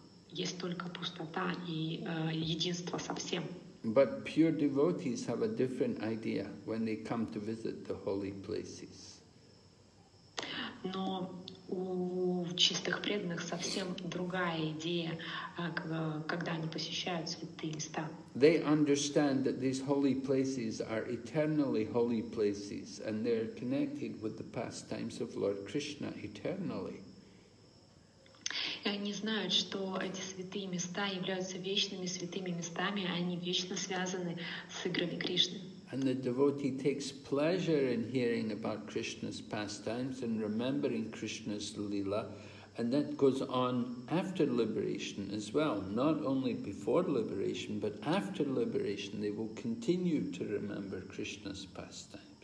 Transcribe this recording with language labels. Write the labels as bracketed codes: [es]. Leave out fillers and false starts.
[ru] Есть только пустота и единство со всем. [en] But pure devotees have a different idea when they come to visit the holy places. [ru] Но у чистых преданных совсем другая идея, когда они посещают святые места. [en] They understand that these holy places are eternally holy places, and they're connected with the pastimes of Lord Krishna eternally. [ru] И они знают, что эти святые места являются вечными святыми местами, они вечно связаны с играми Кришны. [en] And the devotee takes pleasure in hearing about Krishna's pastimes and remembering Krishna's lila, and that goes on after liberation as well. Not only before liberation, but after liberation, they will continue to remember Krishna's pastimes.